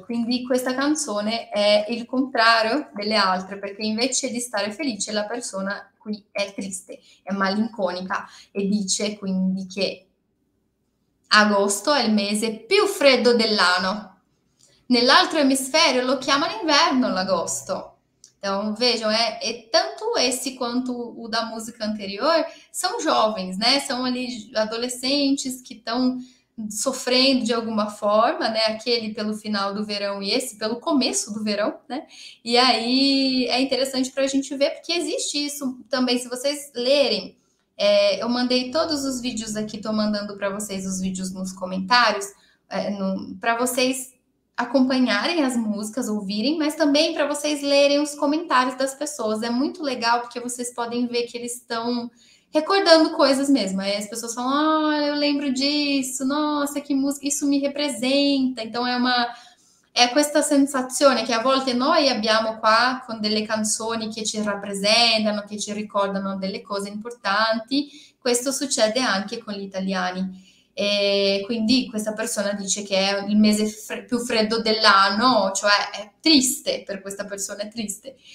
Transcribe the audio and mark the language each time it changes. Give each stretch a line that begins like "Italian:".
Italian: Quindi questa canzone è il contrario delle altre, perché invece di stare felice, la persona qui è triste, è malinconica e dice quindi che agosto è il mese più freddo dell'anno. Nell'altro emisfero lo chiamano inverno, l'agosto.
Portuguese: Então, vejam, é tanto esse quanto o da música anterior, são jovens, né? São ali adolescentes que estão sofrendo de alguma forma, né? Aquele pelo final do verão e esse pelo começo do verão, né? E aí é interessante para a gente ver porque existe isso também, se vocês lerem. Eu mandei todos os vídeos aqui, estou mandando para vocês os vídeos nos comentários, para vocês acompanharem as músicas, ouvirem, mas também para vocês lerem os comentários das pessoas. É muito legal porque vocês podem ver que eles estão recordando coisas mesmo. Aí as pessoas falam: Olha, eu lembro disso, nossa, que música, isso me representa. Então é
Italian: questa sensazione che a volte noi abbiamo qua con delle canzoni che ci rappresentano, che ci ricordano delle cose importanti. Questo succede anche con gli italiani. E quindi questa persona dice che è il mese più freddo dell'anno, cioè è triste per questa persona, è triste.